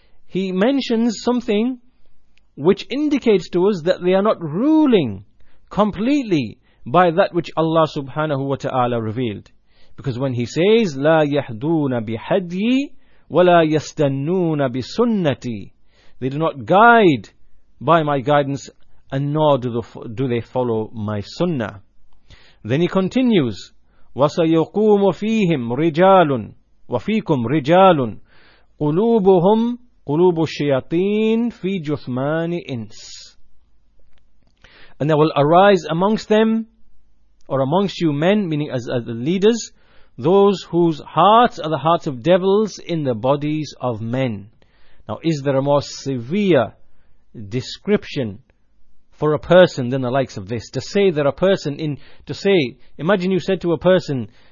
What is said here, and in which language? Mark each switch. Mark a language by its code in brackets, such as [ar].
[en] He mentions something which indicates to us that they are not ruling completely by that which Allah subhanahu wa ta'ala revealed. Because when he says, [ar] لا يحدون بحدي ولا يستنون بسنتي, [en] they do not guide by my guidance, and nor do they follow my sunnah. Then he continues, [ar] وسيقوم فيهم رجال وفيكم رجال قلوبهم قلوب الشياطين في جثمان إنس. [en] And there will arise amongst them, or amongst you men, meaning as the leaders, those whose hearts are the hearts of devils in the bodies of men. Now, is there a more severe description for a person than the likes of this? To say that a person, imagine you said to a person,